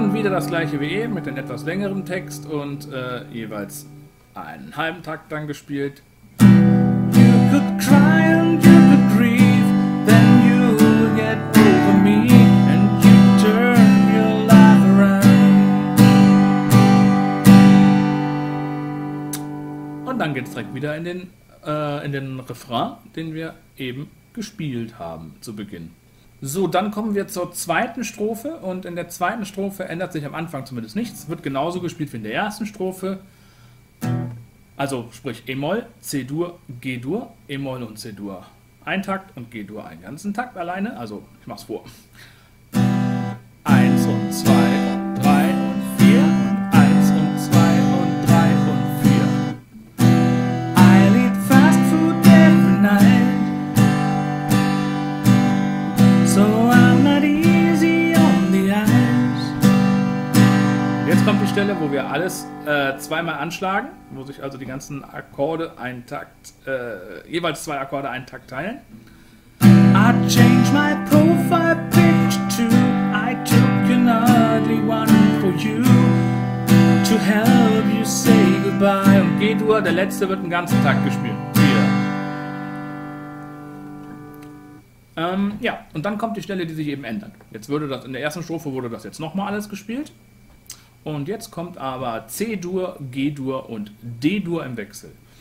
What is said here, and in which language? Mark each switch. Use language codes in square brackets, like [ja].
[de] Das gleiche wie eben mit einem etwas längeren Text und jeweils einen halben Takt dann gespielt. [en] You could cry and you could grieve, then you get over me and you turn your life around. [de] Und dann geht es direkt wieder in den Refrain, den wir eben gespielt haben zu Beginn. So, dann kommen wir zur zweiten Strophe. Und in der zweiten Strophe ändert sich am Anfang zumindest nichts. Wird genauso gespielt wie in der ersten Strophe. Also sprich E-Moll, C-Dur, G-Dur, E-Moll und C-Dur. Ein Takt und G-Dur einen ganzen Takt alleine. Also ich mach's vor. 1 und 2 und 3 und 4. 1 und 2 und 3 und 4. [en] I lead fast food every night. So I'm not easy on the eyes. [de] Jetzt kommt die Stelle, wo wir alles zweimal anschlagen. Wo sich also die ganzen Akkorde einen Takt, jeweils zwei Akkorde einen Takt teilen. [en] I changed my profile picture too. I took an ugly one for you to help you say goodbye. [de] Und G-Dur, der letzte, wird einen ganzen Takt gespielt. Hier. Ja, und dann kommt die Stelle, die sich eben ändert. Jetzt würde das, in der ersten Strophe wurde das jetzt nochmal alles gespielt. Und jetzt kommt aber C-Dur, G-Dur und D-Dur im Wechsel.